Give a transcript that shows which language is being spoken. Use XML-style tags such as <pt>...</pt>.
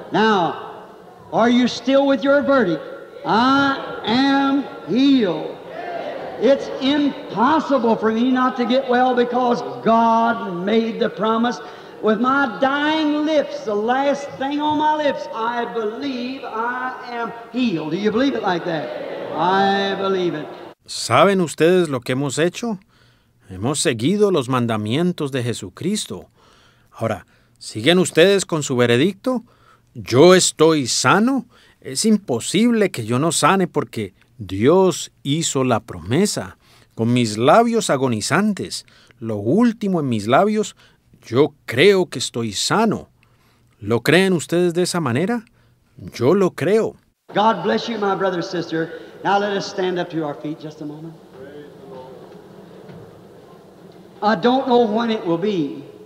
<en>Now, are you still with your verdict? I am healed. It's impossible for me not to get well because God made the promise. With my dying lips, the last thing on my lips, I believe I am healed. Do you believe it like that? I believe it.</en> <es>¿Saben ustedes lo que hemos hecho? Hemos seguido los mandamientos de Jesucristo. Ahora, ¿siguen ustedes con su veredicto? ¿Yo estoy sano? Es imposible que yo no sane porque Dios hizo la promesa. Con mis labios agonizantes, lo último en mis labios, yo creo que estoy sano. ¿Lo creen ustedes de esa manera? Yo lo creo.</es> <en>God bless you, my brother and sister. Now let us stand up to our feet just a moment. I don't know when it will be.</en>